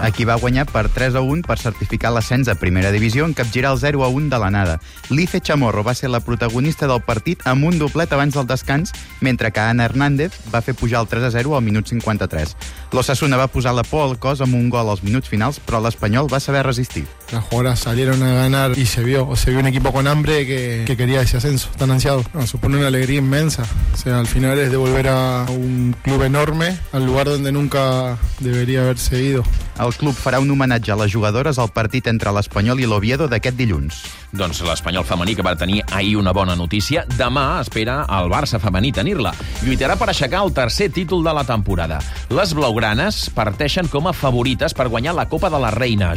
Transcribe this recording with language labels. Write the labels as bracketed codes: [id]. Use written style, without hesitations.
[ca] Aquí va guanyar per 3-1 per certificar l'ascens a primera divisió en capgirar el 0-1 de l'anada. Life Chamorro va ser la protagonista del partit amb un doblet abans del descans, mentre que Ana Hernández va fer pujar el 3-0 al minut 53. L'Osasuna va posar la por al cos amb un gol als minuts finals, però l'Espanyol va saber resistir. [es] Las jugadoras salieron a ganar y se vio un equipo con hambre que quería ese ascenso tan ansiado. No, supone una alegría inmensa. O sea, al final es devolver a un club enorme al lugar donde nunca debería haberse ido. [ca] El club farà un homenatge a les jugadores al partit entre l'Espanyol i l'Oviedo d'aquest dilluns. Doncs l'Espanyol femení, que va tenir ahir una bona notícia, demà espera el Barça femení tenir-la. Lluitarà per aixecar el tercer títol de la temporada. Les blaugranes parteixen com a favorites per guanyar la Copa de la Reina.